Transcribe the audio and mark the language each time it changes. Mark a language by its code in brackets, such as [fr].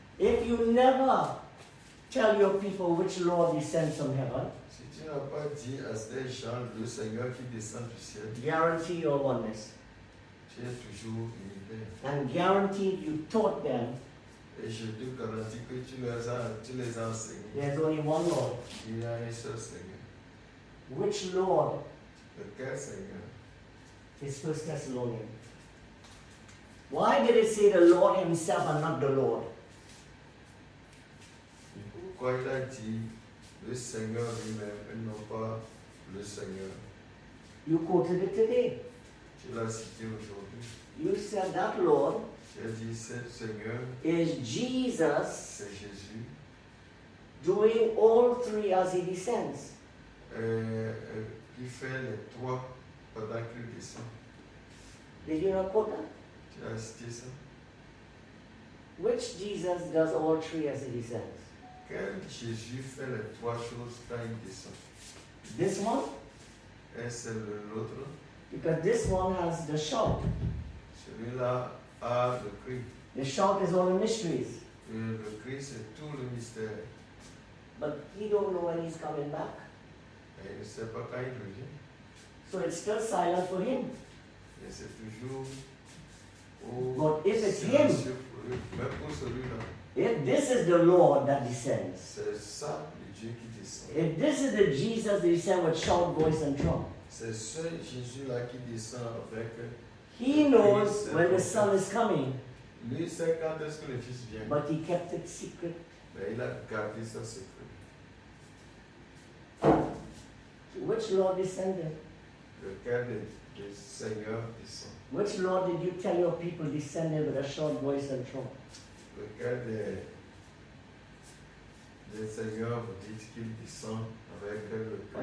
[en] If you never tell your people which Lord descends from heaven, [fr] si tu n'as pas dit à ces gens le Seigneur qui descend du ciel, [en] guarantee your oneness. [fr] Tu es toujours unité. [en] And guarantee you taught them. [fr] Et je te garantis que tu les as enseignés. [en] There's only one Lord. [fr] Il y a un seul Seigneur. [en] Which Lord? [fr] Lequel Seigneur? [en] It's 1 Thessalonians. Why did it say the Lord Himself and not the Lord? [fr] Pourquoi il a dit le Seigneur lui-même et non pas le Seigneur? [en] You quoted it today. [fr] Tu l'as cité aujourd'hui. [en] You said that Lord. [fr] Seigneur, [en] is Jesus [fr] c'est Jésus, [en] doing all three as he descends? [fr] Qui fait les trois pendant qu'il descend? [en] Did you not quote that? [fr] Tu as cité ça? [en] Which Jesus does all three as he descends? [fr] Quel Jésus fait les trois choses quand il descend? [en] This one? [fr] Et c'est l'autre? [en] Because this one has the shout. [fr] Celui-là. Le cri. [en] The shout is all the mysteries. [fr] Le cri, c'est tout le mystère. [en] But he don't know when he's coming back. [fr] Et il ne sait pas quand il revient. [en] So it's still silent for him. [fr] Et c'est toujours. [en] But if it's him, [fr] même pour celui-là, [en] if this is the Lord that descends, [fr] c'est ça, le Dieu qui descend. [en] If this is the Jesus that descends with shout, voice, and trump, [fr] c'est ce Jésus-là qui descend avec. [en] He knows when the Son is coming. [fr] Lui sait quand est-ce que le Fils vient. [en] But he kept it secret. [fr] Mais il a gardé ça secret. [en] Which Lord descended? [fr] Lequel le Seigneur descend? [en] Which Lord did you tell your people descended with a short voice and trump? [fr] Lequel le Seigneur vous dit qu'il descend avec le cri,